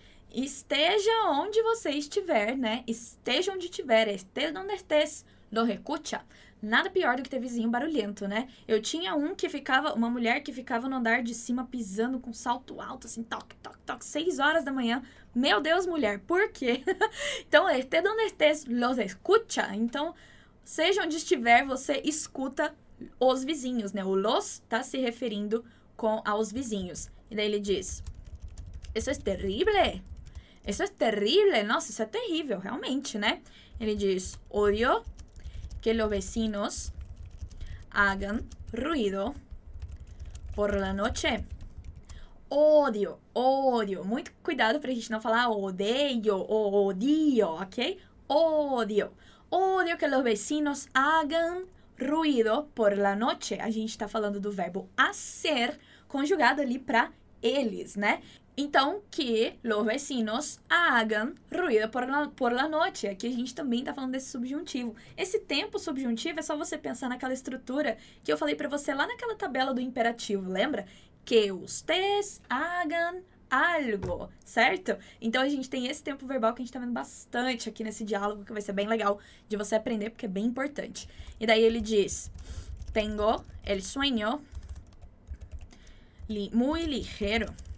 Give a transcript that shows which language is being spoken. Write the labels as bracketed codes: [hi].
[pt] Esteja onde você estiver, né? Esteja onde estiver, [es] estés donde estés, los escucha. [pt] Nada pior do que ter vizinho barulhento, né? Eu tinha um que ficava, uma mulher que ficava no andar de cima pisando com salto alto, assim, toque, toque, toque, 6 horas da manhã. Meu Deus, mulher, por quê? [es] Então, esté donde estés, los escucha. [pt] Então, seja onde estiver, você escuta os vizinhos, né? O los tá se referindo com aos vizinhos. E daí ele diz, isso é terrible. Isso é terrible. Nossa, isso é terrível, realmente, né? Ele diz, [es] odio que los vecinos hagan ruido por la noche. Odio, odio. [pt] Muito cuidado pra gente não falar odeio ou odio, ok? [es] Odio. Odio que los vecinos hagan ruido por la noche. [pt] A gente tá falando do verbo hacer, conjugado ali pra eles, né? [es] Então, que los vecinos hagan ruido por la noche. [pt] Aqui a gente também tá falando desse subjuntivo. Esse tempo subjuntivo é só você pensar naquela estrutura que eu falei pra você lá naquela tabela do imperativo, lembra? [es] Que ustedes hagan algo, certo? [pt] Então, a gente tem esse tempo verbal que a gente tá vendo bastante aqui nesse diálogo, que vai ser bem legal de você aprender, porque é bem importante. E daí ele diz, [es] tengo el sueño muy ligero.